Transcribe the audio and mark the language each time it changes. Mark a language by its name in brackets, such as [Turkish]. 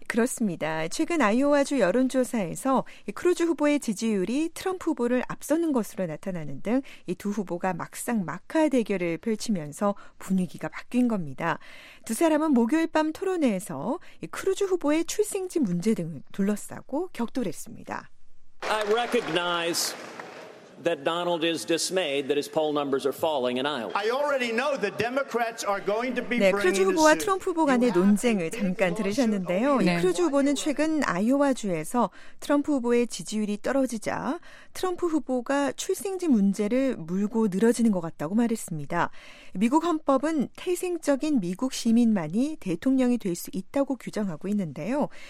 [Korean] 그렇습니다. 최근 아이오와주 여론조사에서 크루즈 후보의 지지율이 트럼프 후보를 앞서는 것으로 나타나는 등 이 두 후보가 막상 막하 대결을 펼치면서 분위기가 바뀐 겁니다. 두 사람은 목요일 밤 토론회에서 이 크루즈 후보의 출생지 문제 등을 둘러싸고 격돌했습니다. [English] I recognize that Donald is dismayed that his poll numbers are falling in Iowa. I already know the Democrats are going to be bringing this. [Korean] 네, 크루즈 후보와 트럼프 후보 간의 논쟁을 잠깐 들으셨는데요. 네. 이 크루즈 후보는 최근 아이오와주에서 트럼프 후보의 지지율이 떨어지자 트럼프 후보가 출생지 문제를 물고 늘어지는 것 같다고 말했습니다. 미국 헌법은 태생적인 미국 시민만이 대통령이 될 수 있다고 규정하고 있는데요.